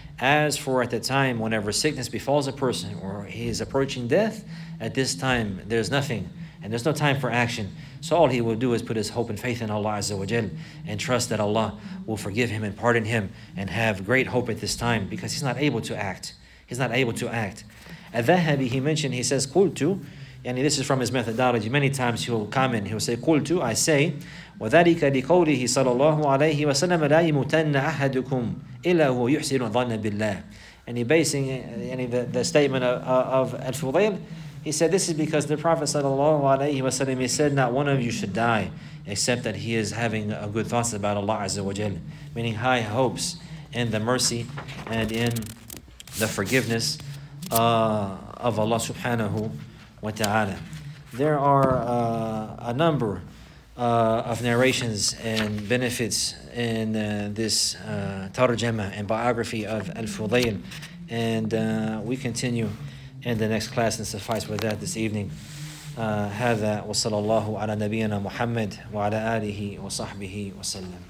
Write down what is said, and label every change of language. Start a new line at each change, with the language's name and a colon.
English: As for at the time whenever sickness befalls a person or he is approaching death, at this time there's nothing and there's no time for action. So all he will do is put his hope and faith in Allah Azza wa Jal and trust that Allah will forgive him and pardon him and have great hope at this time, because he's not able to act. He's not able to act. Al-Dhahabi, he mentioned, he says, Qultu, and this is from his methodology. Many times he'll comment, he'll say, Qultu, I say,
Arabic: وَذَلِكَ لِقَوْلِهِ صَلَى اللَّهُ عَلَيْهِ وَسَلَّمَ لَا يَمُوتَنَّ أَحَدُكُمْ إِلَّا هُوَ يُحْسِنُ ظَنَّ بِاللَّهِ.
English: And he basing the statement of Al-Fudail, he said, this is because the Prophet sallallahu alaihi wasallam, he said, not one of you should die except that he is having a good thoughts about Allah Azza wa Jal, meaning high hopes in the mercy and in the forgiveness of Allah subhanahu wa ta'ala. There are a number of narrations and benefits in this tarjama and biography of Al-Fudail And we continue in the next class, and suffice with that this evening.
Arabic: هذا وصلى الله على نبينا محمد وعلى آله وصحبه وسلم.